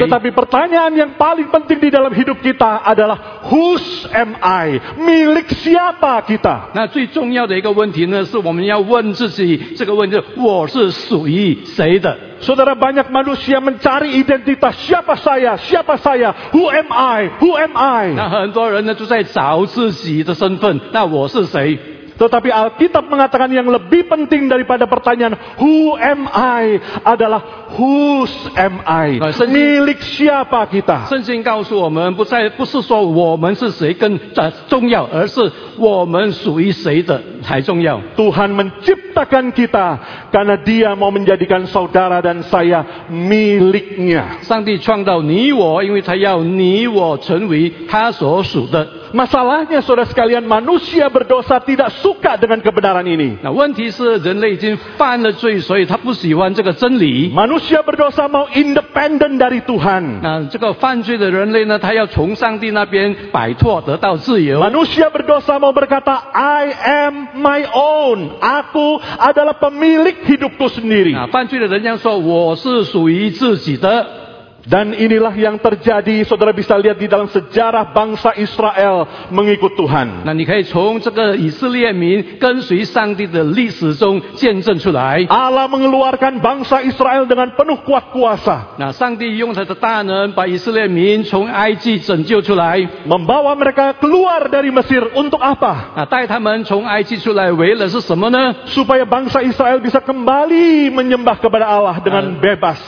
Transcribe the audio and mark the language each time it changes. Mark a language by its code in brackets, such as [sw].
[id] Tetapi pertanyaan yang paling penting di dalam hidup kita adalah [en] whose am I, [id] milik siapa kita. [zh] 那最重要的一个问题呢，是我们要问自己这个问题：我是属于谁的？ [id] Saudara, banyak manusia mencari identitas, siapa saya, siapa saya, [en] who am I, who am I. [zh] 那很多人呢就在找自己的身份，那我是谁？ [id] Tetapi Alkitab mengatakan yang lebih penting daripada pertanyaan [en] who am I [id] adalah [en] whose am I, [id] milik siapa kita. [zh] 圣经告诉我们，不是说我们是谁更重要，而是我们属于谁的才重要。 [id] Tuhan menciptakan kita karena Dia mau menjadikan saudara dan saya miliknya. [zh] 上帝创造你我，因为他要你我成为他所属的。 [id] Masalahnya saudara sekalian, manusia berdosa tidak suka dengan kebenaran ini. [zh] Nah, 问题是人类已经犯了罪，所以他不喜欢这个真理。 [id] Manusia berdosa mau independen dari Tuhan. [zh] Nah, 这个犯罪的人类呢，他要从上帝那边摆脱，得到自由。 [id] Manusia berdosa mau berkata [en] I am my own. [id] Aku adalah pemilik hidupku sendiri. [zh] Nah, 犯罪的人要说我是属于自己的。 [id] Dan inilah yang terjadi, saudara bisa lihat di dalam sejarah bangsa Israel mengikut Tuhan. [zh] Nah, 你可以从这个以色列民跟随上帝的历史中见证出来。 [id] Allah mengeluarkan bangsa Israel dengan penuh kuat kuasa. [zh] Nah, 上帝用他的大能把以色列民从埃及拯救出来。 [id] Membawa mereka keluar dari Mesir untuk apa? [zh] Nah, 带他们从埃及出来为了是什么呢? [id] Supaya bangsa Israel bisa kembali menyembah kepada Allah dengan bebas.